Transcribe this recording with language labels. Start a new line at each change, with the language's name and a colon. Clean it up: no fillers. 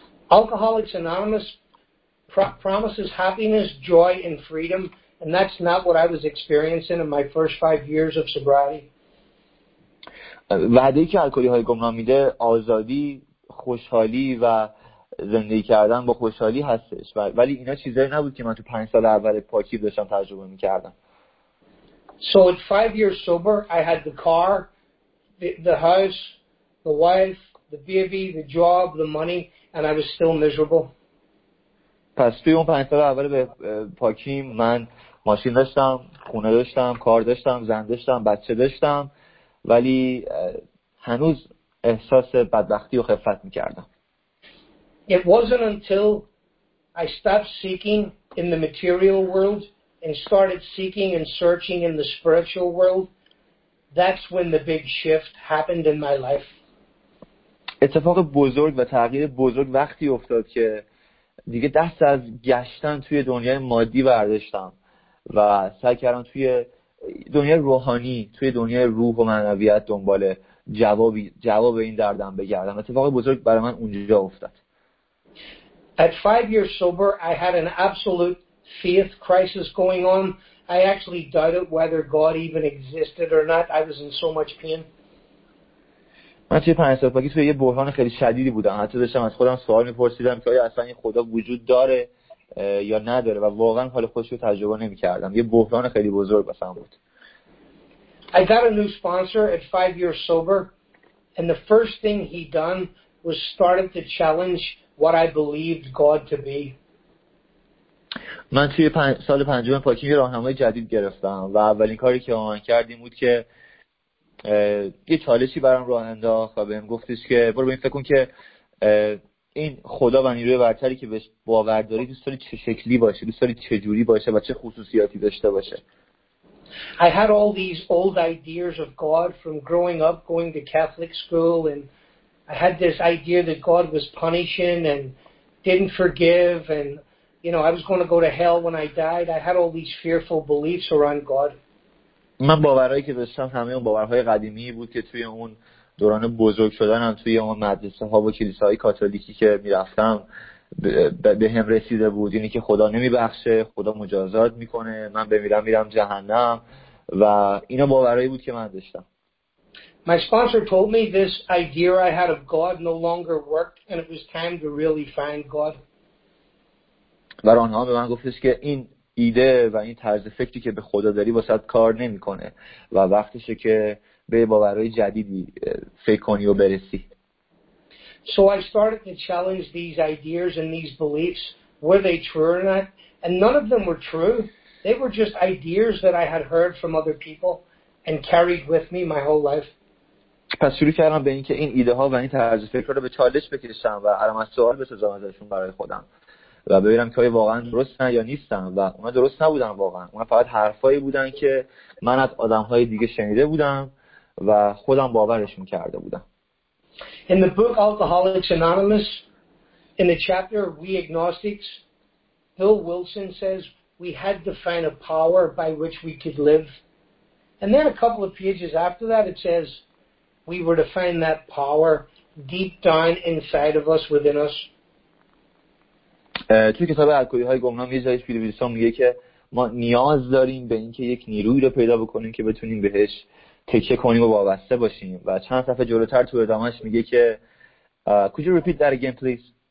English: Alcoholics Anonymous promises happiness, joy, and freedom, and that's not what I was experiencing in my first 5 years of sobriety.
Persian: وعده‌ای که الکلی‌های گمنام میده آزادی، خوشحالی و زندگی کردن با خوشحالی هستش، ولی اینا چیزایی نبود که من تو 5 سال اول پاکی داشتم تجربه می‌کردم.
English: So at 5 years sober, I had the car, the house, the wife, the baby, the job, the money, and I was still miserable.
Persian: پس توی اون 5 سال اول به پاکی من ماشین داشتم، خونه داشتم، کار داشتم، زن داشتم، بچه داشتم، ولی هنوز احساس بدبختی و خفت می‌کردم.
English: It wasn't until I stopped seeking in the material world and started seeking and searching in the spiritual world, that's when the big shift happened in my life.
Persian: اتفاق بزرگ و تغییر بزرگ وقتی افتاد که دیگه دست از گشتن توی دنیای مادی برداشتم و سعی کردم توی دنیای روحانی، توی دنیای روح و معنویت دنبال جواب این دردم بگردم. اتفاق بزرگ برای من اونجا افتاد.
English: At 5 years sober, I had an absolute faith crisis going on. I actually doubted whether God even existed or not. I was in so much pain.
Persian: من توی 5 سال پاکی توی یه بحران خیلی شدیدی بودم. حتی داشتم از خودم سوال می‌پرسیدم که آیا اصلا این خدا وجود داره یا نداره و واقعا حال خودش رو تجربه نمی‌کردم. یه بحران خیلی بزرگ واسم بود.
English: I got a new sponsor at 5 years sober, and the first thing he done was started to challenge what I believed God to be.
Persian: من توی سال پنجم پاکی یه راهنمای جدید گرفتم و اولین کاری که اون کرد این بود که یه چالشی برام راه انداخت و بهم گفتش که برو ببین فکر کن که این خدا و نیروی برتری که بهش باور داری دوست داری چه شکلی باشه، دوست داری چه جوری باشه و چه خصوصیاتی داشته باشه.
English: I had all these old ideas of God from growing up going to Catholic school, and I had this idea that God was punishing and didn't forgive, and you know, I was going to go to hell when I died. I had all these fearful beliefs around God.
Persian: من باورایی که داشتم همه اون باورهای قدیمی بود که توی اون دوران بزرگ شدنم توی اون مدرسه ها و کلیساهای کاتولیکی که می‌رفتم به هم رسیده بود. اینی که خدا نمی‌بخشه، خدا مجازات می‌کنه، من بمیرم میرم جهنم و اینا باورایی بود که من داشتم.
English: My sponsor told me this idea I had of God no longer worked, and it was time to really find God.
Persian: برای آنها به من گفتش که این ایده و این طرز فکری که به خدا داری واسه کار نمیکنه و وقتشه که به باورهای جدیدی فکر کنی و برسی.
English: So I started to challenge these ideas and these beliefs. Were they true or not? And none of them were true. They were just ideas that I had heard from other people and carried with me my whole life.
Persian: پس شروع کردم به اینکه این ایده ها و این طرز فکر رو به چالش بکشم و علما سوال بسازم ازشون برای خودم و ببینم که آیا واقعا درست هستن یا نیستن، و اونا درست نبودن واقعا، اونا فقط حرفایی بودن که من از آدم های دیگه شنیده بودم و خودم باورشون کرده بودم.
English: In the book Alcoholics Anonymous, in the chapter We Agnostics, Bill Wilson says we had to find a power by which we could live. And then a couple of pages after that it says we were to find that power deep down inside of us, within us.
Persian: توی کتاب الکلی‌های گمنام یه جایش بیل ویلسون میگه که ما نیاز داریم به اینکه یک نیروی رو پیدا بکنیم که بتونیم بهش تکیه کنیم و وابسته باشیم، و چند صفحه جلوتر تو ادامهش میگه که
English: could you repeat that again please?